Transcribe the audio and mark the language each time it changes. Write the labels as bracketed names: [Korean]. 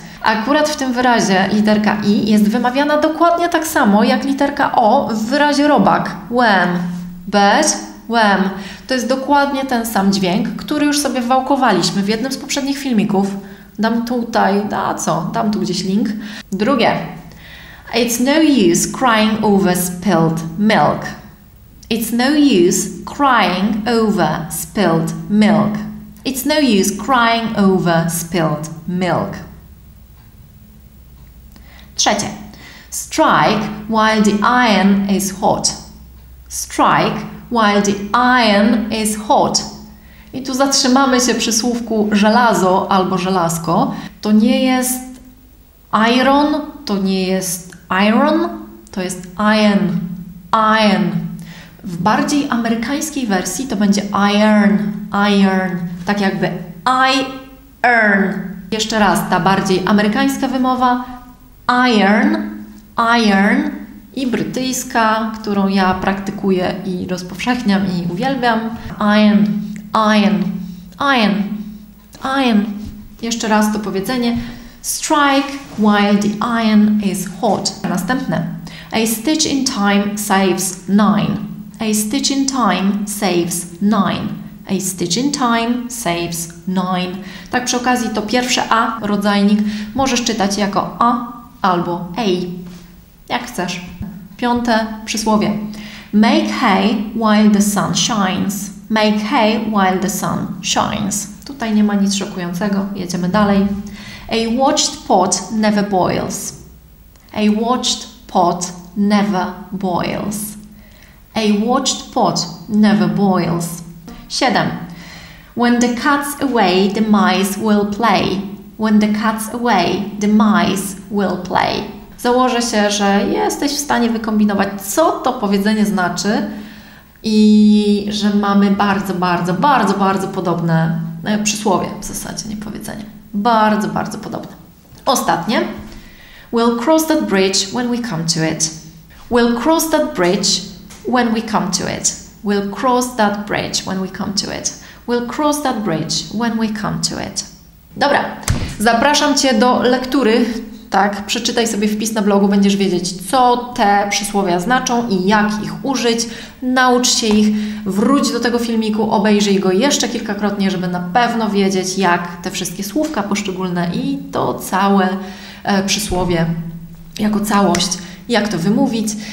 [Polish] Akurat w tym wyrazie literka i jest wymawiana dokładnie tak samo jak literka o w wyrazie robak. Worm, bird, worm. To jest dokładnie ten sam dźwięk, który już sobie wywałkowaliśmy w jednym z poprzednich filmików. Dam tutaj, a co? Dam tu gdzieś link. Drugie. [English] It's no use crying over spilled milk. It's no use crying over spilled milk. It's no use crying over spilled milk. [Polish] Trzecie. [English] Strike while the iron is hot. Strike while the iron is hot. [Polish] I tu zatrzymamy się przy słówku żelazo albo żelazko. To nie jest iron, to nie jest iron, to jest iron, iron. W bardziej amerykańskiej wersji to będzie iron, iron, tak jakby I earn. Jeszcze raz, ta bardziej amerykańska wymowa, iron, iron i brytyjska, którą ja praktykuję i rozpowszechniam i uwielbiam. [English] Iron, iron, iron, iron. [Polish] Jeszcze raz to powiedzenie, [English] strike while the iron is hot. [Polish] Następne, [English] a stitch in time saves nine. A stitch in time saves nine. A stitch in time saves nine. [Polish] Tak przy okazji to pierwsze A, rodzajnik, możesz czytać jako A albo A, jak chcesz. Piąte przysłowie. [English] Make hay while the sun shines. Make hay while the sun shines. [Polish] Tutaj nie ma nic szokującego, jedziemy dalej. [English] A watched pot never boils. A watched pot never boils. A watched pot never boils. 7. When the cat's away, the mice will play. When the cat's away, the mice will play. [Polish] Założę się, że jesteś w stanie wykombinować, co to powiedzenie znaczy i że mamy bardzo, bardzo, bardzo, bardzo podobne przysłowie, w zasadzie nie powiedzenie. Bardzo, bardzo podobne. Ostatnie. [English] We'll cross that bridge when we come to it. We'll cross that bridge when we come to it. We'll cross that bridge when we come to it. We'll cross that bridge when we come to it. [Polish] Dobra, zapraszam Cię do lektury, tak? Przeczytaj sobie wpis na blogu, będziesz wiedzieć, co te przysłowia znaczą i jak ich użyć. Naucz się ich, wróć do tego filmiku, obejrzyj go jeszcze kilkakrotnie, żeby na pewno wiedzieć, jak te wszystkie słówka poszczególne i to całe przysłowie jako całość, jak to wymówić.